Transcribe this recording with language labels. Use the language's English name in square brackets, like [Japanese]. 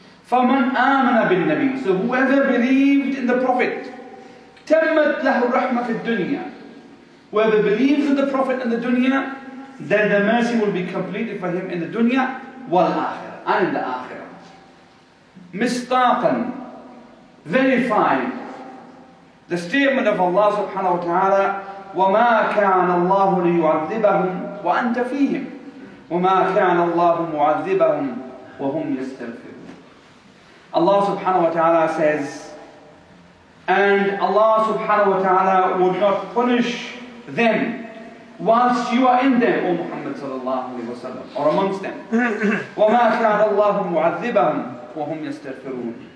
[Arabic] فَمَنْ آمَنَ بِالنَّبِيِّ. [English] So whoever believed in the Prophet, [Arabic] تَمَّتْ لَهُ الرَّحْمَةِ فِي الدُّنْيَا. [English] Whoever believes in the Prophet in the dunya, then the mercy will be completed for him in the dunya وَالْآخِرَةِ and in the akhirah. [Arabic] مِصْطَاقًا. [English] Verifying the statement of Allah subhanahu wa ta'ala, [Arabic] وَمَا كَانَ اللَّهُ لِيُعَذِّبَهُمْ وَأَنْتَ فِيهِمْ وَمَا كَانَ اللَّهُ مُعَذِّبَهُمْ وَهُمْ يَسْتَغْفِرُونَ. [English] Allah subhanahu wa ta'ala says, and Allah subhanahu wa ta'ala would not punish them whilst you are in them, O Muhammad sallallahu alayhi wa sallam, or amongst them. [Arabic] وَمَا كَانَ اللَّهُ مُعَذِّبَهُمْ وَهُمْ يَسْتَغْفِرُونَ.